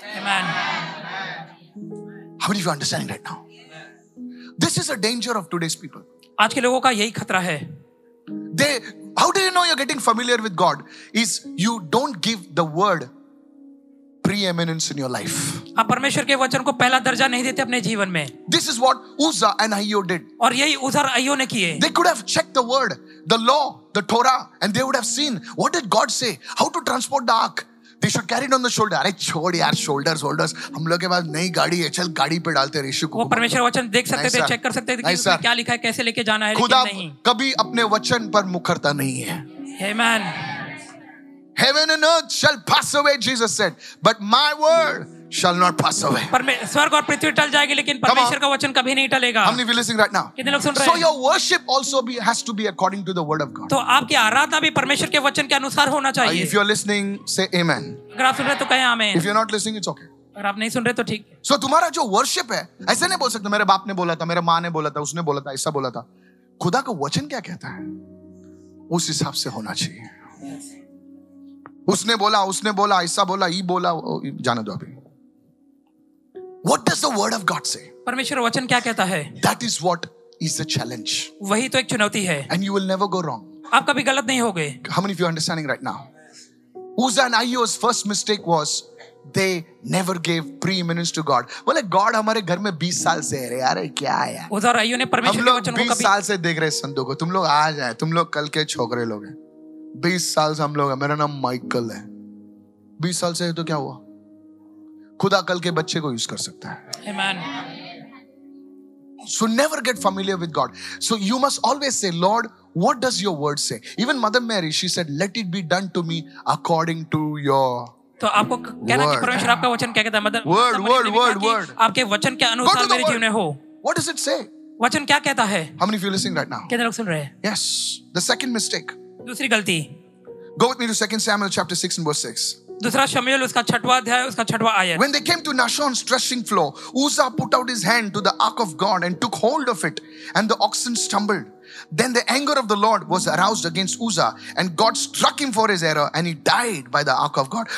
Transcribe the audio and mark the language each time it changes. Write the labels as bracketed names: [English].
[English] Amen. How many of you are understanding right now? This is a danger of today's people. [Hindi] आज के लोगों का यही खतरा है। [English] How do you know you're getting familiar with God? Is you don't give the word preeminence in your life. [Hindi] आप परमेश्वर के वचन को पहला दर्जा नहीं देते अपने जीवन में। [English] This is what Uzzah and Ahio did. [Hindi] और यही उज़ार अय्यो ने किए। [English] They could have checked the word, the law, the Torah, and they would have seen what did God say, how to transport the ark. They should carry it on the shoulder. [Hindi] अरे छोड़ यार [English] shoulders. [Hindi] हम लोग के पास नई गाड़ी है, चल गाड़ी पे डालते हैं ऋषि को। वो परमेश्वर वचन देख सकते थे, चेक कर सकते थे कि क्या लिखा है, कैसे लेके जाना है। खुदा कभी अपने वचन पर मुखरता नहीं है। [English] Amen. Heaven and earth shall pass away, Jesus said, but my word shall not pass away. [Hindi] स्वर्ग और पृथ्वी टल जाएगी लेकिन परमेश्वर का वचन कभी नहीं टलेगा। [English] How many will listen right now? [Hindi] कितने लोग सुन रहे हैं? [English] So your worship also has to be according to the word of God. [Hindi] तो आपकी आराधना भी परमेश्वर के वचन के अनुसार होना चाहिए। [English] If you're listening, say amen. [Hindi] अगर आप सुन रहे तो कहें आमीन। [English] If you're not listening, it's okay. [Hindi] अगर आप नहीं सुन रहे तो ठीक। So तुम्हारा जो worship है, ऐसे नहीं बोल सकते मेरे बाप ने बोला था, मेरे माँ ने बोला था, उसने बोला था, ऐसा बोला था। खुदा का वचन क्या कहता है उस हिसाब से होना चाहिए। उसने बोला ऐसा बोला, ये बोला, जाने दो अभी। [English] What does the word of God say? [Hindi] परमेश्वर वचन क्या कहता है? [English] That is what is the challenge. [Hindi] वही तो एक चुनौती है। [English] And you will never go wrong. [Hindi] आप कभी गलत नहीं होगे। [English] How many of you are understanding right now? Uzzah and Ahio's first mistake was they never gave preeminence to God. [Hindi] बोले God हमारे घर में 20 साल से है रे, अरे क्या है? उज़ा और अय्यो ने परमेश्वर के वचन को कभी 20 साल से देख रहे संदूक को। तुम लोग आ जाए, तुम लोग कल के छोकरे लोग हैं। 20 साल से हम लोग हैं। मेरा नाम माइकल है। 20 साल से है तो क्या हुआ? खुदा कल के बच्चे को यूज कर सकता है। [English] Amen. So never get familiar with God. So you must always say, Lord, what does your word say? Even Mother Mary, she said, let it be done to me according to your [Hindi] तो आपको कहना कि परमेश्वर आपका वचन क्या कहता है? [English] mother word word word word [Hindi] आपके वचन के अनुसार मेरे जीवन में हो। [English] What does it say? [Hindi] वचन क्या कहता है? [English] How many of you are listening right now? [Hindi] कितने लोग सुन रहे हैं? [English] Yes. The second mistake. [Hindi] दूसरी गलती। [English] Go with me to 2 Samuel chapter 6 and verse 6. [Hindi] दूसरा शमूएल उसका छठवां अध्याय उसका छठवां आयत। [English] When they came to Nashon's threshing floor, Uzzah put out his hand to the ark of God and took hold of it, and the oxen stumbled. Then the anger of the Lord was aroused against Uzzah, and God struck him for his error, and he died by the ark of God.